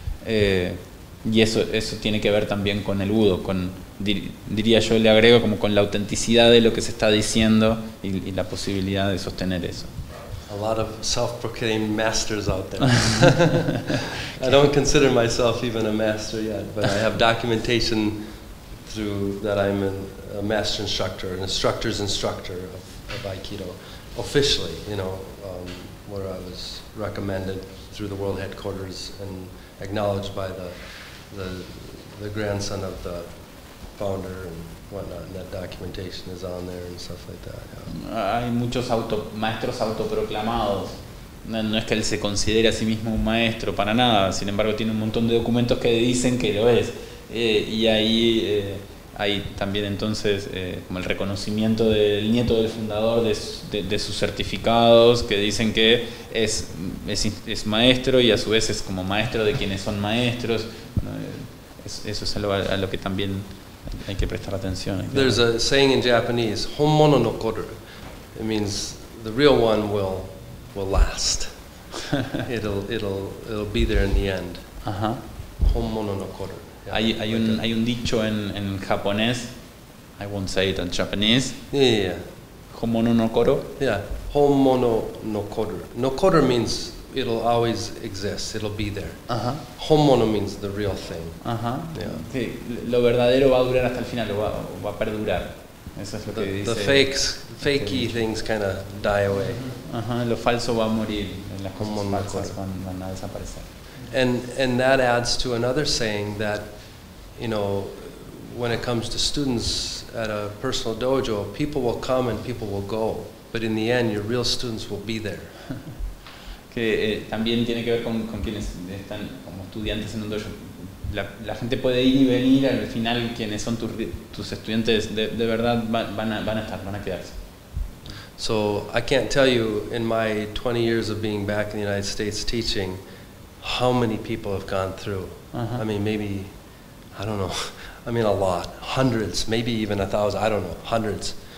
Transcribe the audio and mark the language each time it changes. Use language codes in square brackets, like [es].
[es] Y eso tiene que ver también con el Budo, con, diría yo, le agrego como con la autenticidad de lo que se está diciendo y la posibilidad de sostener eso. [en] A lot of self-proclaimed masters out there. I don't consider myself even a master yet, but I have documentation through that I'm a master instructor, an instructor's instructor of Aikido. Officially, you know, where I was recommended through the world headquarters and acknowledged by the grandson of the founder and whatnot, and that documentation is on there and stuff like that. Yeah. [es] Hay muchos maestros autoproclamados. No es que él se considere a sí mismo un maestro para nada. Sin embargo, tiene un montón de documentos que dicen que lo es. Y ahí hay también entonces como el reconocimiento del nieto del fundador de sus certificados que dicen que es maestro y a su vez es como maestro de quienes son maestros. Bueno, eso es algo a lo que también hay que prestar atención. Claro. [en] There's a saying in Japanese, [ja] "Honmono no koru." [en] It means the real one will last. It'll be there in the end. Ajá. [ja] Honmono no koru. [es] Hay un dicho en japonés. [en] I won't say it in Japanese. Yeah. [ja] Homono no koru. [en] Yeah. [ja] Homono no koru. [en] No koru means it'll always exist. It'll be there. Uh-huh. Homono means the real thing. Uh-huh. Yeah. Sí. [es] Lo verdadero va a durar hasta el final. Va a perdurar. Eso es lo que dice. [en] The fakes, fakey things kind of die away. [es] Uh-huh. Lo falso va a morir. Las cosas falsas van a desaparecer. [en] And that adds to another saying that, you know, when it comes to students at a personal dojo, people will come and people will go, but in the end, your real students will be there. [es] Que también tiene que ver con quienes están como estudiantes en un dojo. La gente puede ir y venir, al final quienes son tus estudiantes de verdad van a quedarse. [en] So I can't tell you in my 20 years of being back in the United States teaching how many people have gone through. Uh-huh. I mean, maybe, I don't know, I mean a lot, hundreds, maybe even 1,000, I don't know, hundreds.